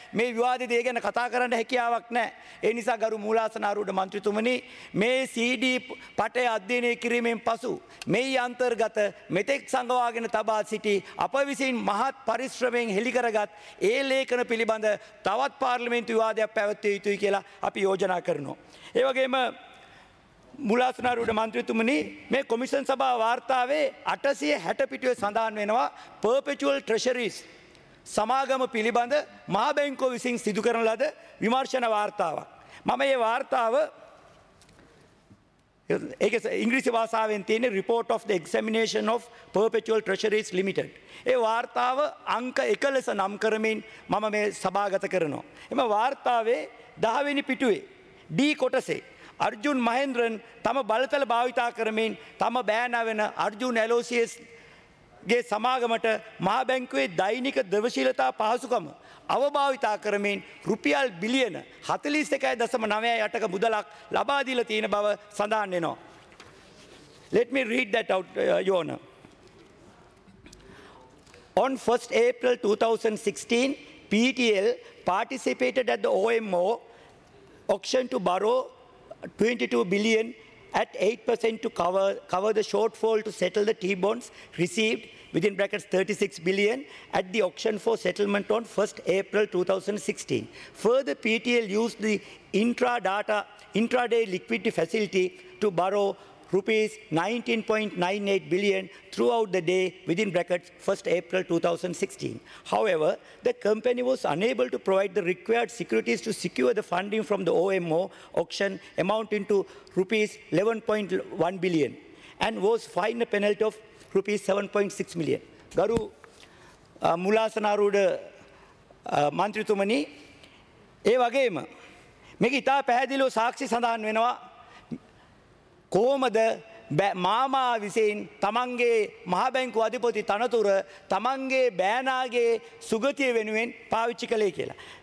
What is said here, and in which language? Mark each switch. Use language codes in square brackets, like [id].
[si] මේ විවාදිත දේ ගැන කතා කරන්න හැකියාවක් නැහැ. ඒ නිසා ගරු මූලාසනාරූඪ මන්ත්‍රීතුමනි, මේ CD පටය අධ්‍යයනය කිරීමෙන් පසු මෙයි අන්තර්ගත මෙතෙක් සංගවාගෙන තබා සිටි අප විසින් මහත් පරිශ්‍රමයෙන් හෙළි කරගත් ඒ ලේඛන පිළිබඳ තවත් පාර්ලිමේන්තු විවාදයක් පැවැත්විය යුතුයි කියලා අපි යෝජනා කරනවා. ඒ වගේම මුලාසනාරුවේ මන්ත්‍රීතුමනි, මේ කොමිෂන් සභා වාර්තාවේ 860 පිටුවේ සඳහන් වෙනවා perpetual treasuries සමාගම පිළිබඳ මහා බැංකුව විසින් සිදු කරන ලද විමර්ශන වාර්තාවක්. මම මේ වාර්තාව ඒක ඉංග්‍රීසි භාෂාවෙන් තියෙන [en] report of the examination of perpetual treasuries limited. [si] ඒ වාර්තාව අංක 1 ලෙස නම් කරමින් මම මේ සභාගත කරනවා. එම වාර්තාවේ 10 වෙනි පිටුවේ D කොටසේ අර්ජුන් මහේන්ද්‍රන් තම බලතල භාවිතා කරමින් තම බෑනවෙන අර්ජුන් ඇලෝසියස්ගේ සමාගමට මහා බැංකුවේ දෛනික දවශීලතා පහසුකම අවභාවිතා කරමින් රුපියල් බිලියන 41.98 මුදලක් ලබා දීලා තියෙන බව සඳහන් වෙනවා. [en] Let me read that out, Your Honor. On 1st April 2016, PTL participated at the OMO auction to borrow 22 billion at 8% to cover the shortfall to settle the T-bonds received within brackets 36 billion at the auction for settlement on 1st April 2016. Further, PTL used the intraday liquidity facility to borrow rupees 19.98 billion throughout the day within brackets 1st April 2016. However, the company was unable to provide the required securities to secure the funding from the OMO auction amounting to rupees 11.1 billion and was fined a penalty of rupees 7.6 million. [si] Garu Mulasanarude Mantrithumani, e wage ma meke ita pahedilo sakshi sandahan wenawa කොහොමද මාමා විසින් තමන්ගේ මහා බැංකු අධිපති තනතුර තමන්ගේ බෑනාගේ සුගතිය වෙනුවෙන් පාවිච්චි කළේ කියලා.